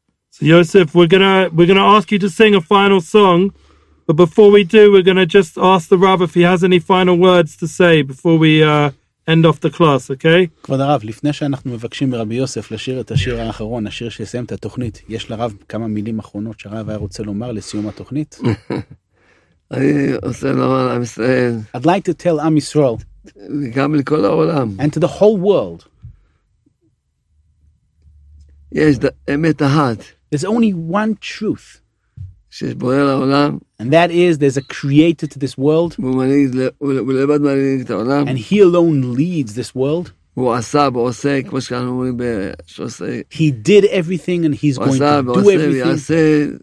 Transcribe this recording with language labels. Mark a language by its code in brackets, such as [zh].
[en] So Yosef, we're gonna ask you to sing a final song, but before we do, we're gonna just ask the Rav if he has any final words to say before we end off the class, okay? [he] כבוד הרב, לפני שאנחנו מבקשים מרבי יוסף לשיר את השיר האחרון, השיר שיסיים את התוכנית, יש לרב כמה מילים אחרונות שהרב היה רוצה לומר לסיום התוכנית? אני רוצה לומר לעם ישראל. [en] I'd like to tell Am Yisrael. [he] גם לכל העולם. [en] And to the whole world. [he] יש אמת אחת. [en] There's only one truth. [he] שיש בורא לעולם. [en] And that is, there's a creator to this world. [he] הוא לבד מנהיג את העולם. [en] And he alone leads this world. [he] הוא עשה ועושה, כמו שאנחנו אומרים בשושה. [en] He did everything and he's going to do everything.